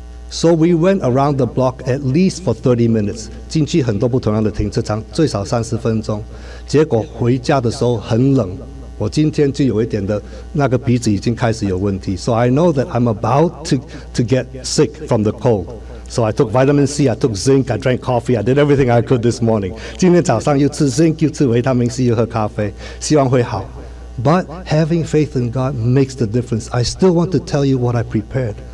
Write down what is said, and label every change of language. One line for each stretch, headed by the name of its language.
English: So we went around the block at least for 30 minutes.
Chinese: 进去很多不同样的停车场，最少30分钟。结果回家的时候很冷，我今天就有一点的那个鼻子已经开始有问题。
English: So I know that I'm about to get sick from the cold. So I took vitamin C, I took zinc, I drank coffee, I did everything I could this morning.
Chinese: 今天早上又吃 zinc， 又吃维他命 C， 又喝咖啡，希望会好。
English: But having faith in God makes the difference. I still want to tell you what I prepared.